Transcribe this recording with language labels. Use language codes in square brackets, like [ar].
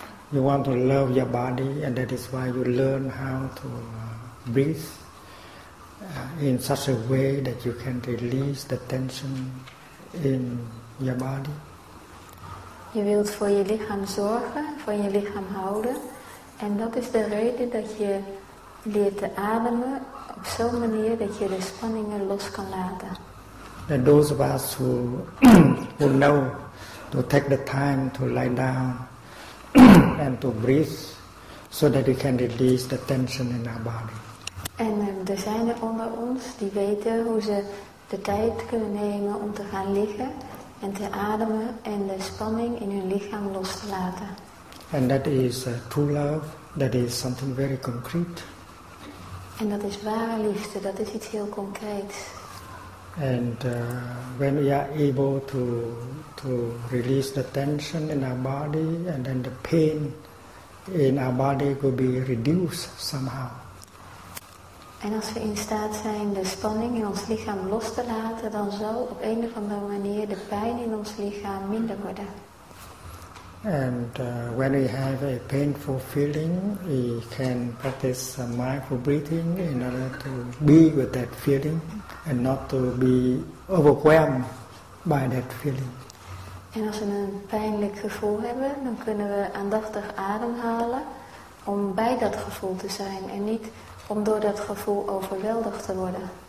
[en] You want to love your body, and that is why you learn how to breathe in such a way that you can release the tension in your body. [nl] Je wilt voor je lichaam zorgen, voor je lichaam houden. En dat is de reden dat je leert te ademen op zo'n manier dat je de spanningen los kan laten. [en] And those of us who know to take the time to lie down and to breathe so that we can release the tension in our body. [nl] En er zijn er onder ons die weten hoe ze de tijd kunnen nemen om te gaan liggen en te ademen en de spanning in hun lichaam los te laten. [en] And that is true love, that is something very concrete. [nl] En dat is ware liefde, dat is iets heel concreets. [en] And when we are able to release the tension in our body, and then the pain in our body will be reduced somehow. [nl] En als we in staat zijn de spanning in ons lichaam los te laten, dan zal op een of andere manier de pijn in ons lichaam minder worden. [en] And when we have a painful feeling, we can practice mindful breathing in order to be with that feeling and not to be overwhelmed by that feeling. [nl] En als we een pijnlijk gevoel hebben, dan kunnen we aandachtig ademhalen om bij dat gevoel te zijn en niet om door dat gevoel overweldigd te worden.